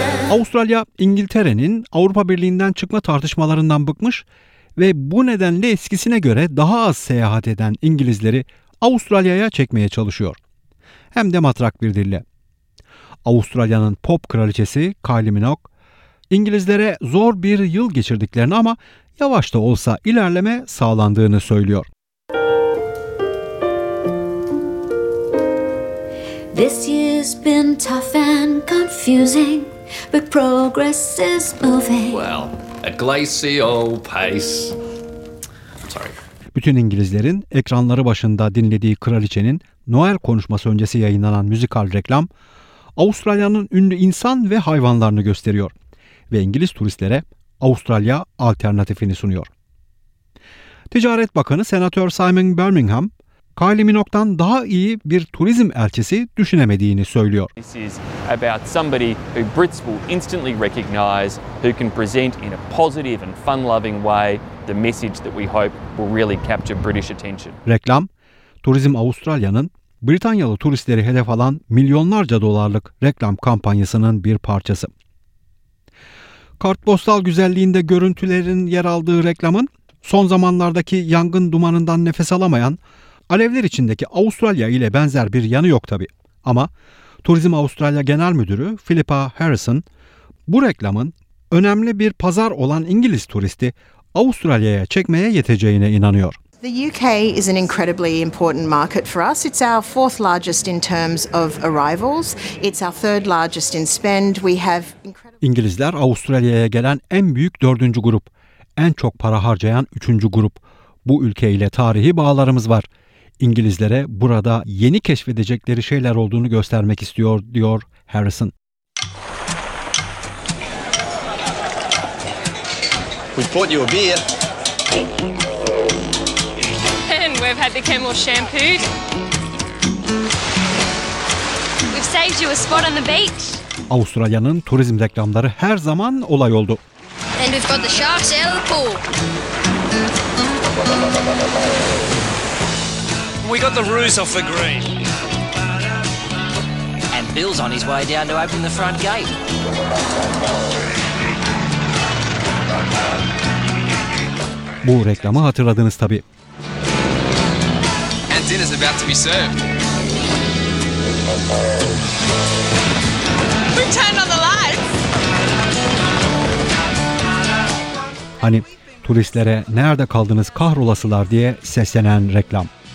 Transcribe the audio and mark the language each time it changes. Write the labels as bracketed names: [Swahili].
[Turkish] Avustralya, İngiltere'nin Avrupa Birliği'nden çıkma tartışmalarından bıkmış ve bu nedenle eskisine göre daha az seyahat eden İngilizleri Avustralya'ya çekmeye çalışıyor. Hem de matrak bir dille. Avustralya'nın pop kraliçesi Kylie Minogue, İngilizlere zor bir yıl geçirdiklerini ama yavaş da olsa ilerleme sağlandığını söylüyor. [English] This year's been tough and confusing, but progress is moving. Well, a glacial pace. Sorry. [Turkish] Bütün İngilizlerin ekranları başında dinlediği kraliçenin Noel konuşması öncesi yayınlanan müzikal reklam, Avustralya'nın ünlü insan ve hayvanlarını gösteriyor ve İngiliz turistlere Avustralya alternatifini sunuyor. Ticaret Bakanı Senatör Simon Birmingham, Kylie Minogue'dan daha iyi bir turizm elçisi düşünemediğini söylüyor. [English] This is about somebody who Brits will instantly recognize, who can present in a positive and fun-loving way the message that we hope will really capture British attention. [Turkish] Reklam, Turizm Avustralya'nın Britanyalı turistleri hedef alan milyonlarca dolarlık reklam kampanyasının bir parçası. Kartpostal güzelliğinde görüntülerin yer aldığı reklamın, son zamanlardaki yangın dumanından nefes alamayan, alevler içindeki Avustralya ile benzer bir yanı yok tabii. Ama Turizm Avustralya Genel Müdürü Philippa Harrison, bu reklamın önemli bir pazar olan İngiliz turisti Avustralya'ya çekmeye yeteceğine inanıyor. [English] The UK is an incredibly important market for us. It's our fourth largest in terms of arrivals. It's our third largest in spend. We have incredible... [Turkish] İngilizler Avustralya'ya gelen en büyük dördüncü grup, en çok para harcayan üçüncü grup. Bu ülke ile tarihi bağlarımız var. İngilizlere burada yeni keşfedecekleri şeyler olduğunu göstermek istiyor, diyor Harrison. [English] We've bought you a beer. We've had the Camel shampooed. We've saved you a spot on the beach. [Turkish] Avustralya'nın turizm reklamları her zaman olay oldu. [English] And we've got the sharks out of the pool. We got the ruse off the green. And Bill's on his way down to open the front gate. [Turkish] Bu reklamı hatırladınız tabii. [English] Dinner's about to be served. We've turned on the lights. [Turkish] Hani turistlere nerede kaldınız kahrolasılar diye seslenen reklam.